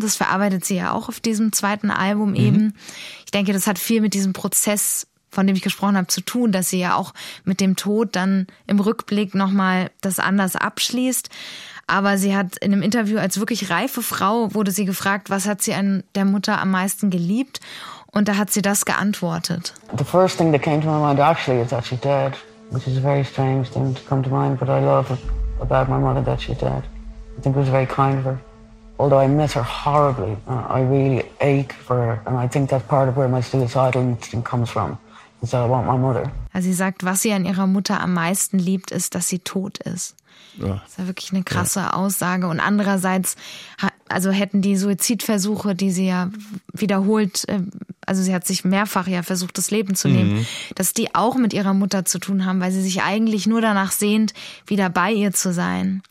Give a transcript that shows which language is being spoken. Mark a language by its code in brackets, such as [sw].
[de] Das verarbeitet sie ja auch auf diesem zweiten Album eben. Ich denke, das hat viel mit diesem Prozess, von dem ich gesprochen habe, zu tun, dass sie ja auch mit dem Tod dann im Rückblick nochmal das anders abschließt. Aber sie hat in einem Interview als wirklich reife Frau, wurde sie gefragt, was hat sie an der Mutter am meisten geliebt? Und da hat sie das geantwortet. [en] The first thing that came to my mind actually is that she's dead, which is a very strange thing to come to mind, but I love about my mother that she's dead. I think it was very kind of her. Although I miss her horribly, I really ache for her. And I think that's part of where my suicidal instinct comes from. So I want my mother. [de] Also sie sagt, was sie an ihrer Mutter am meisten liebt, ist, dass sie tot ist. Ja. Das ist ja wirklich eine krasse Aussage. Und andererseits, also hätten die Suizidversuche, die sie ja wiederholt, also sie hat sich mehrfach ja versucht, das Leben zu nehmen, dass die auch mit ihrer Mutter zu tun haben, weil sie sich eigentlich nur danach sehnt, wieder bei ihr zu sein.